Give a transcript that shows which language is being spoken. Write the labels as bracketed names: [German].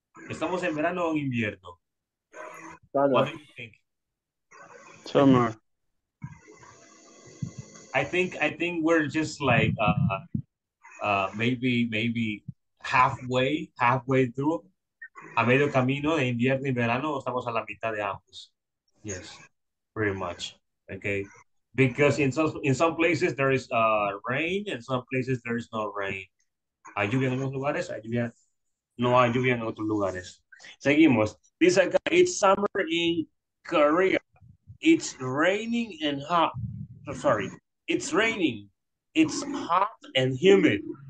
[Spanish] ¿Estamos en verano o invierno? [English] Summer. What do you think? Summer. I think we're just like maybe halfway through. [Spanish] A medio camino de invierno y verano, estamos a la mitad de ambos. [English] Yes, pretty much. Okay, because in some places there is rain and some places there is no rain. [Spanish] Hay lluvia en unos lugares, no hay lluvia en otros lugares. [English] Seguimos. Dice acá, it's summer in Korea. It's raining and hot. Oh, sorry. It's raining. It's hot and humid.